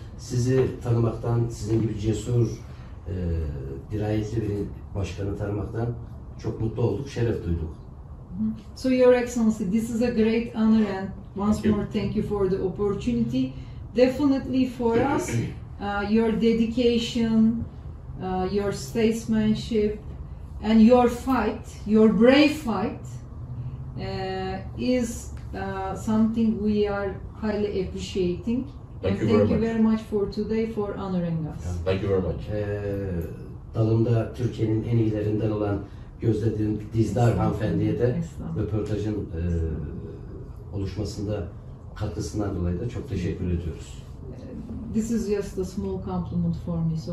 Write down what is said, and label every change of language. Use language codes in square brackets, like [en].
[tr] Sizi tanımaktan, sizin gibi cesur, dirayetli bir başkanı tanımaktan çok mutlu olduk, şeref duyduk. [en] So Your Excellency, this is a great honor and once more thank you for the opportunity. Definitely for us, your dedication, your statesmanship and your fight, your brave fight is something we are highly appreciating. Thank you, thank you very much for today, for honoring us. Thank you very much. [tr] Dalımda Türkiye'nin en iyilerinden olan Gözde Dizdar hanımefendiye de röportajın oluşmasında katkısından dolayı da çok teşekkür ediyoruz. [en] This is just a small compliment for me, so